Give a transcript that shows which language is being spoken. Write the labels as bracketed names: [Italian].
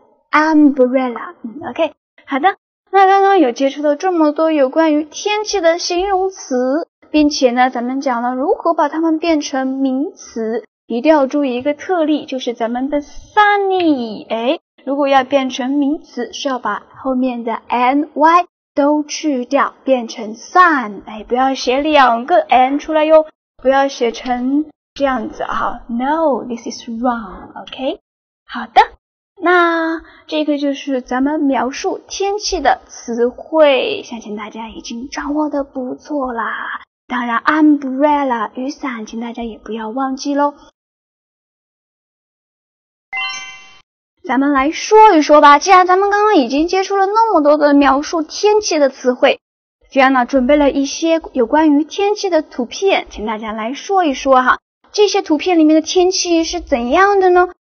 [English] Umbrella， OK， 好的。 [Chinese] 那刚刚有接触了这么多有关于天气的形容词，并且呢咱们讲了如何把它们变成名词，一定要注意一个特例，就是咱们的 sunny， 诶，如果要变成名词是要把后面的 ny 都去掉，变成 sun， 诶，不要写两个 n 出来哟，不要写成这样子啊。 [English] No， this is wrong， OK， 好的。 [Chinese] 那这个就是咱们描述天气的词汇，相信大家已经掌握的不错啦。当然 umbrella 雨伞请大家也不要忘记咯。咱们来说一说吧，既然咱们刚刚已经接触了那么多的描述天气的词汇，菲安娜准备了一些有关于天气的图片，请大家来说一说哈，这些图片里面的天气是怎样的呢？